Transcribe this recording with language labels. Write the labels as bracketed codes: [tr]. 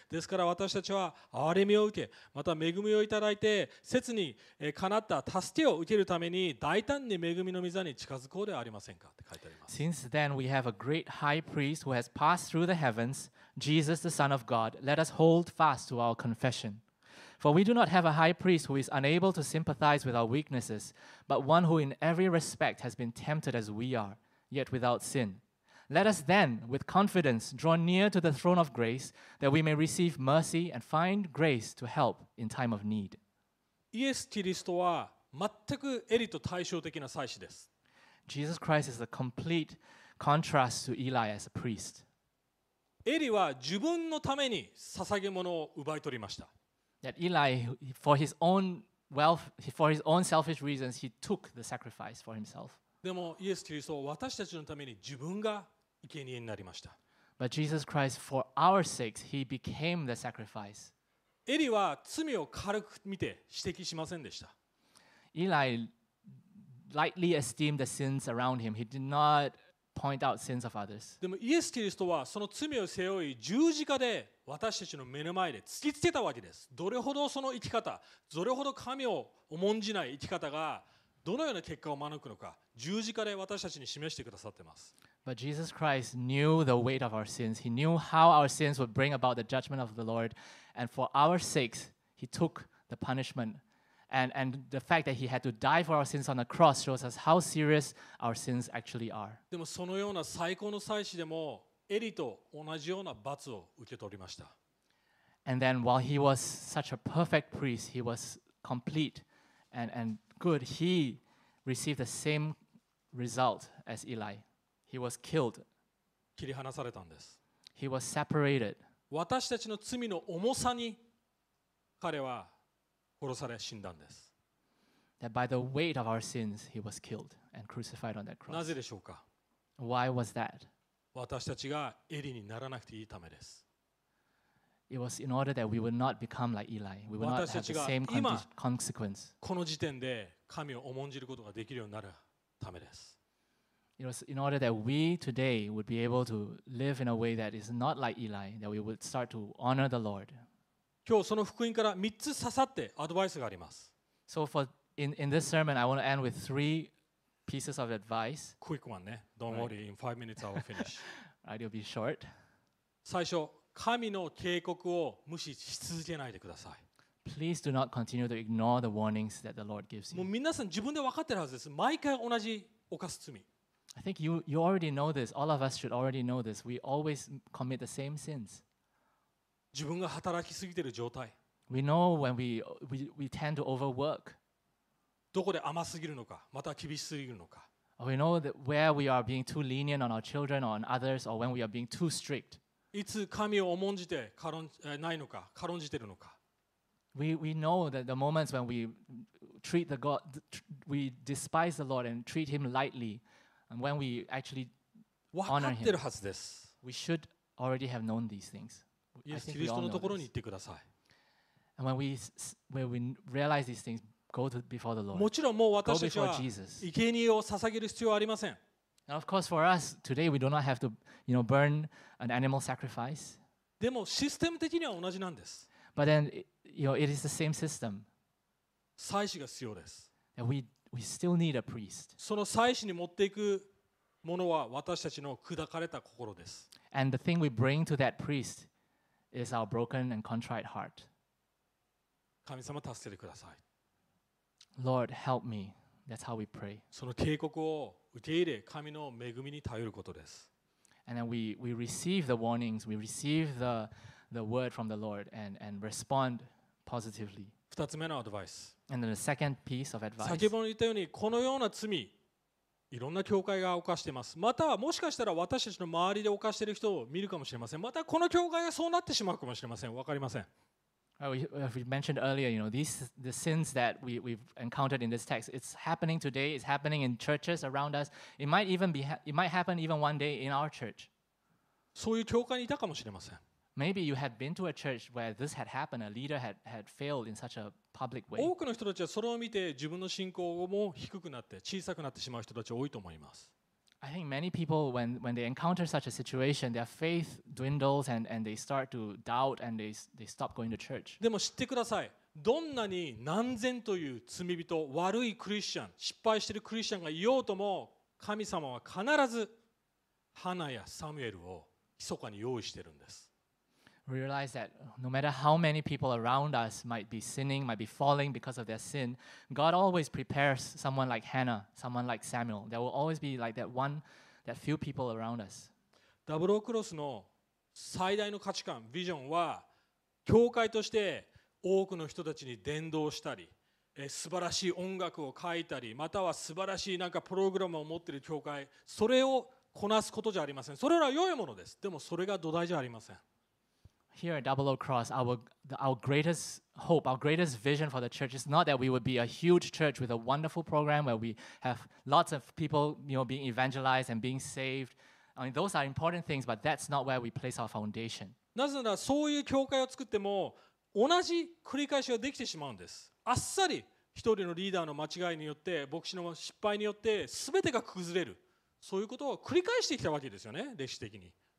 [ja] ですから私たちは憐れみを受け、また恵みをいただいて、切にかなった助けを受けるために大胆に恵みの御座に近づこうではありませんかって書いてあります。 [en] Since then we have a great high priest who has passed through the heavens, Jesus the Son of God. Let us hold fast to our confession. For we do not have a high priest who is unable to sympathize with our weaknesses, but one who in every respect has been tempted as we are, yet without sin. Let us then, with confidence, draw near to the throne of grace, that we may receive mercy and find grace to help in time of need. [ja] イエス・キリストは全くエリと対照的な祭司です。 [en] Jesus Christ is a complete contrast to Eli as a priest. [ja] エリは自分のために捧げ物を奪い取りました。 [en] That Eli, for his own wealth, for his own selfish reasons, he took the sacrifice for himself. [ja] でもイエス・キリストは私たちのために自分が生贄になりました。 [en] But Jesus Christ, for our sakes, he became the sacrifice. [ja] エリは罪を軽く見て指摘しませんでした。 [en] Eli lightly esteemed the sins around him. He did not point out sins of others. [ja] でもイエス・キリストはその罪を背負い十字架で私たちの目の前で突きつけたわけです。どれほどその生き方、どれほど神を重んじない生き方がどのような結果を招くのか、十字架で私たちに示してくださっています。 [en] But Jesus Christ knew the weight of our sins. He knew how our sins would bring about the judgment of the Lord. And for our sakes, he took the punishment. And the fact that he had to die for our sins on the cross shows us how serious our sins actually are. [ja] でもそのような最高の祭司でも、エリと同じような罰を受け取りました。 [en] And then while he was such a perfect priest, he was complete and good, he received the same result as Eli. He was killed. [ja] 切り離されたんです。 [en] He was separated. [ja] 私たちの罪の重さに彼は殺され死んだんです。 [en] That by the weight of our sins, he was killed and crucified on that cross. [ja] なぜでしょうか? [en] Why was that? [ja] 私たちがエリにならなくていいためです。 [en] It was in order that we would not become like Eli. We would not have the same consequence. [ja] この時点で神を重んじることができるようになるためです。 [en] It was in order that we today would be able to live in a way that is not like Eli, that we would start to honor the Lord. [ja] 今日その福音から3つ刺さってアドバイスがあります。 [en] So for in this sermon, I want to end with three pieces of advice. Quick one, ne? Don't worry, in 5 minutes I will finish. Right, it'll be short. [ja] 最初、神の警告を無視し続けないでください。 [en] Please do not continue to ignore the warnings that the Lord gives you. [ja] もう皆さん自分で分かってるはずです。毎回同じ犯す罪。 [en] I think you already know this. All of us should already know this. We always commit the same sins. [ja] 自分が働きすぎている状態。 [en] We know when we tend to overwork. [ja] どこで甘すぎるのか、また厳しすぎるのか。 [en] We know that where we are being too lenient on our children or on others, or when we are being too strict. [ja] いつ神を重んじてないのか、軽んじてるのか。 [en] We know that the moments when we treat the God, we despise the Lord and treat Him lightly. And when we actually honor him, [ja] 分かってるはずです。 [en] We should already have known these things. [ja] イエス・キリストのところに行ってください。 [en] And when we realize these things, go to before the Lord. [ja] もちろんもう私たちは生贄を捧げる必要はありません。 [en] And of course for us, today we do not have to, you know, burn an animal sacrifice. [ja] でもシステム的には同じなんです。 [en] But then, you know, it is the same system. [ja] 祭司が必要です。 [en] And we still need a priest. [ja] その祭司に持っていくものは私たちの砕かれた心です。 [en] And the thing we bring to that priest is our broken and contrite heart. [ja] 神様助けてください。 [en] Lord, help me. That's how we pray. [ja] その警告を受け入れ、神の恵みに頼ることです。 [en] And then we receive the warnings, we receive the word from the Lord and respond positively. [ja] 2つ目のアドバイス。 [en] And then the second piece of advice. [ja] 先ほど言ったように、このような罪、いろんな教会が犯しています。またはもしかしたら私たちの周りで犯している人を見るかもしれません。またこの教会がそうなってしまうかもしれません。わかりません。 [en] We mentioned earlier, you know, the sins that we've encountered in this text, it's happening today, it's happening in churches around us. It might happen even one day in our church. [ja] そういう教会にいたかもしれません。 [en] Maybe you had been to a church where this had happened, a leader had failed in such a public way. [ja] 多くの人たちはそれを見て自分の信仰も低くなって小さくなってしまう人たち多いと思います。 [en] I think many people when they encounter such a situation, their faith dwindles and they start to doubt and they stop going to church. [ja] でも知ってください。どんなに何千という罪人、悪いクリスチャン、失敗しているクリスチャンがいようとも、神様は必ずハナやサムエルを密かに用意しているんです。 [en] Realize that no matter how many people around us might be sinning, might be falling because of their sin, God always prepares someone like Hannah, someone like Samuel. There will always be like that one, that few people around us. [ja] ダブルオクロスの最大の価値観、ビジョンは、教会として多くの人たちに伝道したり、素晴らしい音楽を書いたり、または素晴らしいなんかプログラムを持っている教会、それをこなすことじゃありません。それは良いものです。でもそれが土台じゃありません。 [en] Here at Double Oak Cross, our greatest hope, our greatest vision for the church is not that we would be a huge church with a wonderful program where we have lots of people, you know, being evangelized and being saved. I mean, those are important things, but that's not where we place our foundation. [ja] なぜならそういう教会を作っても同じ繰り返しができてしまうんです。あっさり一人のリーダーの間違いによって、牧師の失敗によって全てが崩れる。そういうことを繰り返してきたわけですよね、歴史的に。